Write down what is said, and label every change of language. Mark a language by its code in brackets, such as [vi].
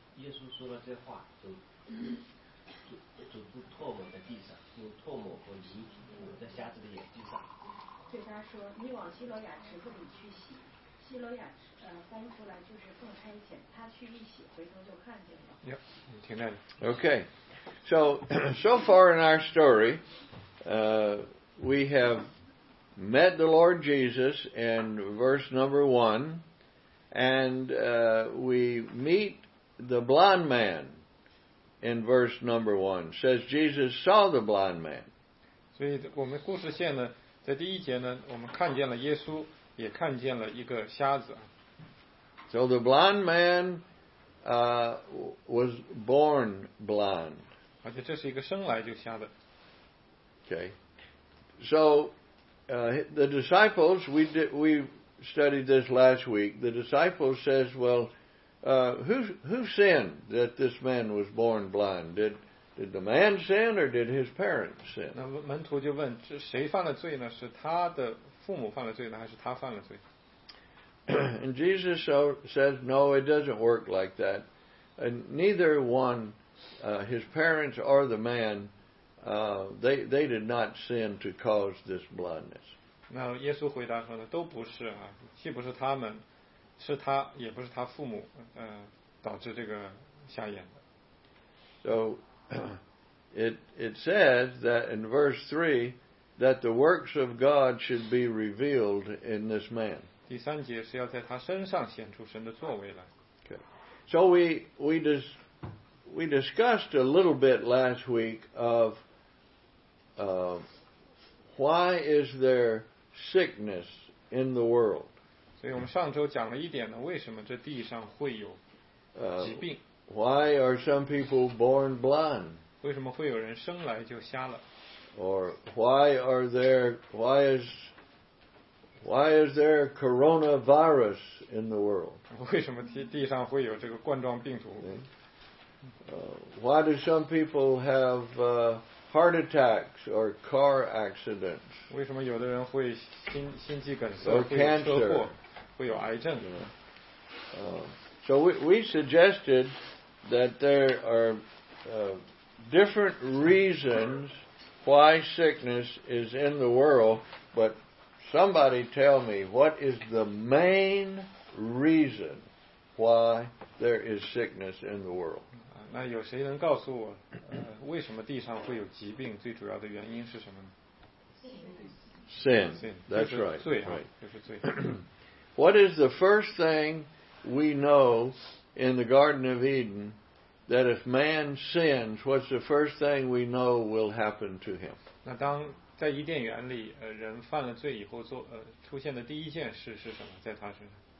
[zh] 耶稣说了这话，就吐唾沫在地上，用唾沫和泥抹在瞎子的眼睛上，对他说：“你往西罗亚池子里去洗。” 西罗亚翻出来就是更差遣，他去一洗，回头就看见了。 Yep, 听见了。 [en] Okay, so far in our story, we have met the Lord Jesus in verse number one. And we meet the blind man in verse number one. Says Jesus saw the blind man. [zh] 所以我们故事线呢，在第一节呢，我们看见了耶稣，也看见了一个瞎子。 [en] So the blind man was born blind. [zh] 而且这是一个生来就瞎的。 [en] Okay. So the disciples, we studied this last week. The disciple says, well, who sinned that this man was born blind? Did the man sin or did his parents sin? [zh] 那门徒就问，这谁犯了罪呢？是他的父母犯了罪呢，还是他犯了罪？ [en] And Jesus says, no, it doesn't work like that. And neither one, his parents or the man, they did not sin to cause this blindness. [zh] 那耶稣回答说的都不是啊，既不是他们，是他也不是他父母，导致这个瞎眼的。 [en] So it says that in verse 3 that the works of God should be revealed in this man. [zh] 第三节是要在他身上显出神的作为来。 [en] Okay. So we discussed a little bit last week of why is there sickness in the world. [zh] 所以我们上周讲了一点呢，为什么这地上会有疾病？ [en] Why are some people born blind? [zh] 为什么会有人生来就瞎了？ [en] Or why is there coronavirus in the world? [zh] 为什么地上会有这个冠状病毒？ [en] Why do some people have heart attacks or car accidents? [zh] 为什么有的人会心肌梗塞，会有车祸，会有癌症？ [en] So we suggested that there are different reasons why sickness is in the world, but somebody tell me, what is the main reason why there is sickness in the world? [zh] 那有谁能告诉我，为什么地上会有疾病？最主要的原因是什么呢 [en] ？Sin. That's right. [zh] 罪啊，就是罪。 [en] What is the first thing we know in the Garden of Eden that if man sins, what's the first thing we know will happen to him? [zh] 那当在伊甸园里，人犯了罪以后做出现的第一件事是什么？在他身上。